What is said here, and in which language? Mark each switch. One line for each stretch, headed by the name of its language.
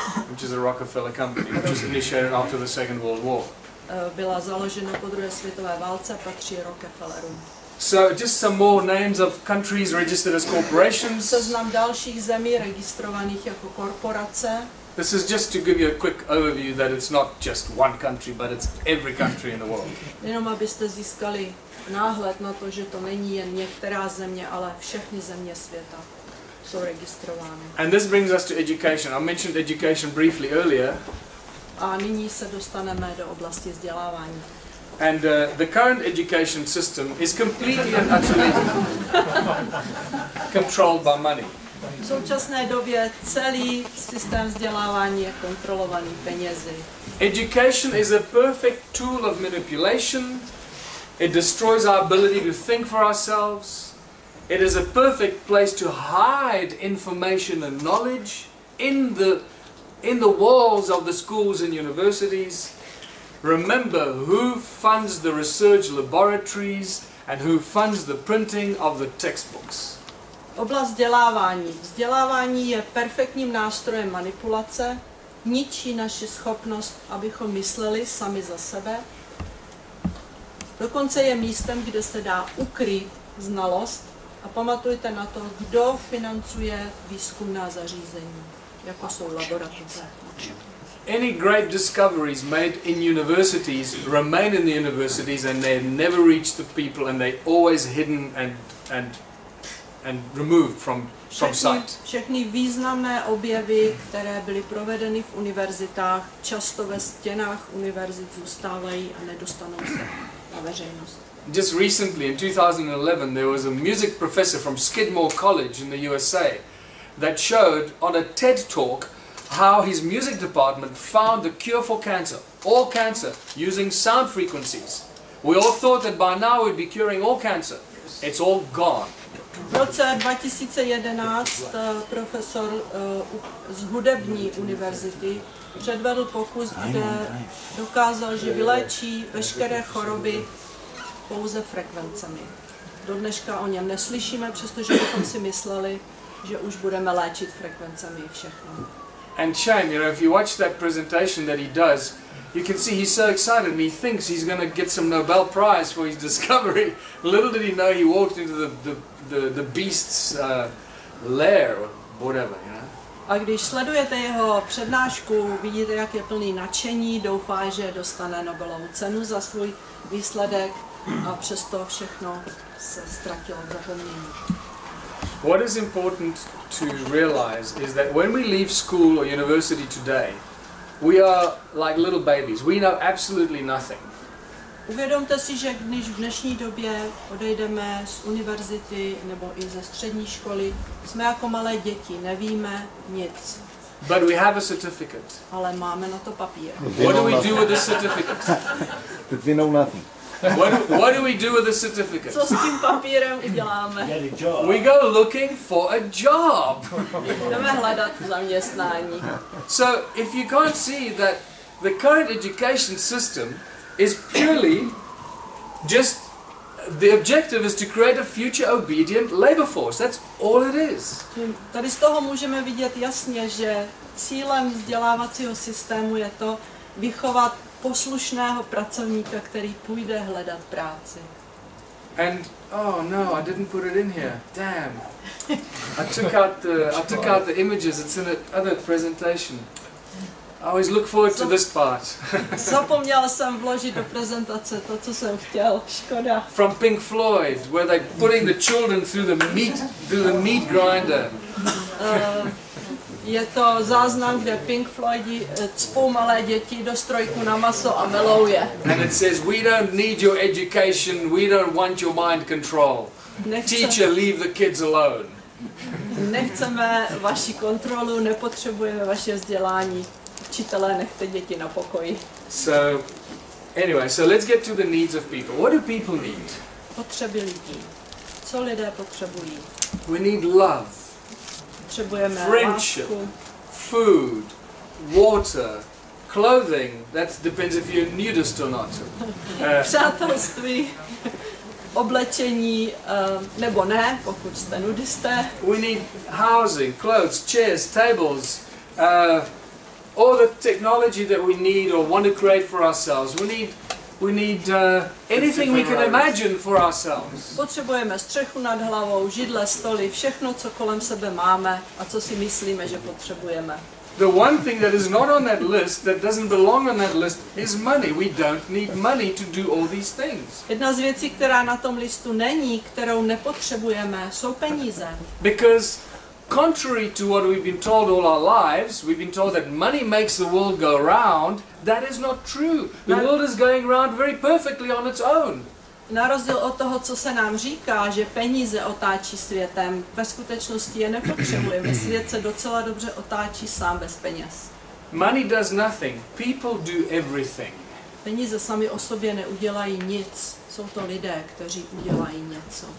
English: Which is a Rockefeller company, which was initiated after the Second World War.
Czech: Byla založena po druhé světové válce, patří Rockefellerům.
English: So just some more names of countries registered as corporations.
Czech: Seznam dalších zemí registrovaných jako korporace.
English: This is just to give you a quick overview that it's not just one country, but it's every country in the world.
Czech: Jenom abyste získali náhled na to, že to není jen některá země, ale všechny země světa jsou registrovány.
English: And this brings us to education. I mentioned education briefly earlier.
Czech: A nyní se dostaneme do oblasti vzdělávání.
English: And the current education system is completely and utterly controlled by money.
Czech: V současné době celý systém vzdělávání je kontrolovaný penězi.
English: Education is a perfect tool of manipulation. It destroys our ability to think for ourselves. It is a perfect place to hide information and knowledge in the walls of the schools and universities. Remember who funds the research laboratories and who funds the printing of the textbooks.
Czech: Oblast vzdělávání. Vzdělávání je perfektním nástrojem manipulace, ničí naši schopnost, abychom mysleli sami za sebe. Dokonce je místem, kde se dá ukryt znalost a pamatujte na to, kdo financuje výzkumná zařízení, jako jsou laboratoře.
English: Any great discoveries made in universities remain in the universities and they never reach the people and they always hidden and removed from sight.
Czech: Všechny významné objevy, které byly provedeny v univerzitách, často ve stěnách univerzit zůstávají a nedostanou se na veřejnost.
English: Just recently in 2011 there was a music professor from Skidmore College in the USA that showed on a TED talk how his music department found the cure for cancer, all cancer, using sound frequencies. We all thought that by now we'd be curing all cancer. It's all gone.
Czech: V roce 2011 profesor z hudební univerzity předvedl pokus, kde dokázal, že vyléčí veškeré choroby pouze frekvencemi. Do dneška o něm neslyšíme, přestože bychom si mysleli, že už budeme léčit frekvencemi všechno.
English: And Shane, you know, if you watch that presentation that he does, you can see he's so excited and he thinks he's going to get some Nobel Prize for his discovery. Little did he know he walked into the beast's lair or whatever, you know.
Czech: A když sledujete jeho přednášku, vidíte, jak je plný nadšení, doufá, že dostane Nobelovu cenu za svůj výsledek, a přesto všechno se ztratilo v zapomnění.
English: What is important to realize is that when we leave school or university today, we are like little babies. We know absolutely nothing.
Czech: Uvědomte si, že když v dnešní době odejdeme z univerzity nebo i ze střední školy, jsme jako malé děti, nevíme nic.
English: But we have a certificate.
Czech: Ale máme na to papír.
English: What do we do with the certificate? But we know nothing. What do we do with the certificate?
Czech: Co s tím papírem uděláme?
English: Get a job. We go looking for a job.
Czech: Jdeme hledat zaměstnání.
English: So if you can't see that the current education system is purely just the objective is to create a future obedient labor force. That's all it is.
Czech: Tady z toho můžeme vidět jasně, že cílem vzdělávacího systému je to vychovat poslušného pracovníka, který půjde hledat práci.
English: And oh no, I didn't put it in here. Damn. I took out the images. It's in the other presentation. I always look forward to this part.
Czech: Zapomněl jsem vložit do prezentace to, co jsem chtěl. Škoda.
English: From Pink Floyd, where they're putting the children through the meat grinder.
Czech: Je to záznam, kde Pink Floydi cpou malé děti do strojku na maso a melou je.
English: And it says, we don't need your education, we don't want your mind control. Teacher, leave the kids alone.
Czech: Nechceme vaši kontrolu, nepotřebujeme vaše vzdělání. Učitelé, nechte děti na pokoji.
English: So, anyway, so let's get to the needs of people. What do people need?
Czech: Potřeby lidí. Co lidé potřebují?
English: We need love.
Czech: Potřebujeme
English: friendship,
Czech: lásku.
English: Food, water, clothing, that depends if you're nudist or not.
Czech: Přátelství, oblečení, nebo ne, pokud jste nudisté.
English: We need housing, clothes, chairs, tables, all the technology that we need or want to create for ourselves. We need anything we can imagine for ourselves.
Czech: Potřebujeme střechu nad hlavou, židle, stoly, všechno, co kolem sebe máme a co si myslíme, že potřebujeme.
English: The one thing that is not on that list, that doesn't belong on that list, is money. We don't need money to do all these things.
Czech: Jedna z věcí, která na tom listu není, kterou nepotřebujeme, jsou peníze.
English: Because contrary to what we've been told all our lives, we've been told that money makes the world go round. That is not true. The world is going round very perfectly on its own.
Czech: Na rozdíl od toho, co se nám říká, že peníze otáčí světem, ve skutečnosti je nepotřebujeme. Svět se docela dobře otáčí sám bez peněz.
English: Money does nothing. People do everything.
Czech: Peníze sami o sobě neudělají nic. Jsou to lidé, kteří udělají něco.